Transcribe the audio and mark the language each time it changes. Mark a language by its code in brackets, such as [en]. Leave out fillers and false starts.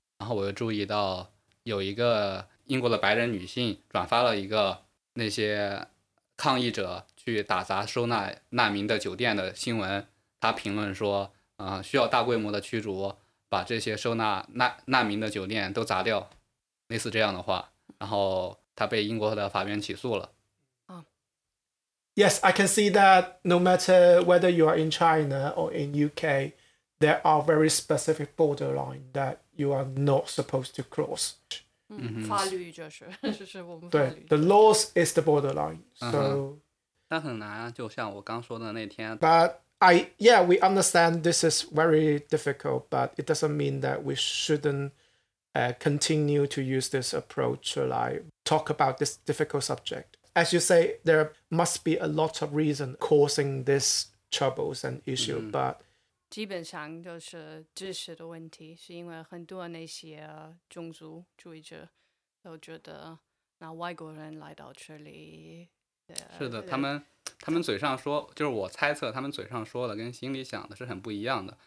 [zh] 然后我又注意到有一个英国的白人女性转发了一个那些抗议者去打砸收纳难民的酒店的新闻，她评论说需要大规模的驱逐，把这些收纳难民的酒店都砸掉，类似这样的话。然后她被英国的法院起诉了。 [en] Yes, I can see that no matter whether you are in China or in UK, there are very specific borderlines that you are not supposed to cross. [zh] 法律就是我们法律。对， [en] the laws is the borderline. So, [zh] 但很难啊，就像我刚说的那天。 [en] But we understand this is very difficult, but it doesn't mean that we shouldn't continue to use this approach to like talk about this difficult subject. As you say, there must be a lot of reason causing this troubles and issue, but [zh] 基本上就是知识的问题，是因为很多那些种族主义者都觉得那外国人来到这里，是的，他们嘴上说，就是我猜测他们嘴上说的跟心里想的是很不一样的。